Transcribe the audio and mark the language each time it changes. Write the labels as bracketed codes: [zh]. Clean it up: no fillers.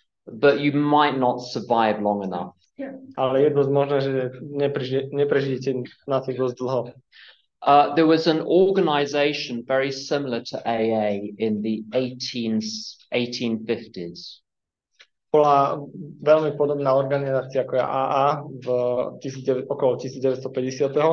[en] But you might not survive long enough. [sk] Ale je dosť možné, že neprežijete na tých dosť dlho. [en] There was an organization very similar to AA in the 1850s. [sk] Bola veľmi podobná organizácia ako AA v okolo 1950.